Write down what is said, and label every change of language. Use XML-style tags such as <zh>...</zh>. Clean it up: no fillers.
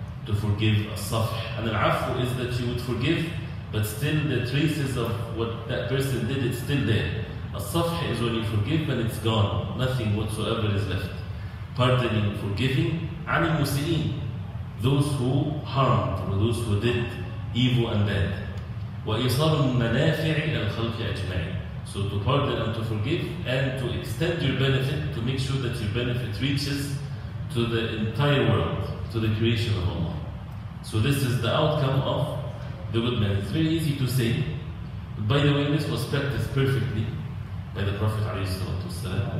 <en>to forgive as-safh. And al-afu is that you would forgive, but still the traces of what that person did, it's still there. As-safh is when you forgive and it's gone, nothing whatsoever is left. Pardoning, forgiving,</en> <ar>عن المسئين,</ar> <en>those who harmed, or those who did evil and bad.</en> <ar>وإصار المنافع للخلق أجمعين.</ar> <en>So to pardon and to forgive, and to extend your benefit, to make sure that your benefit reaches to the entire world, to the creation of Allah. So this is the outcome of the good man. It's very easy to say. By the way, this was practiced perfectly by the Prophet ﷺ.</en>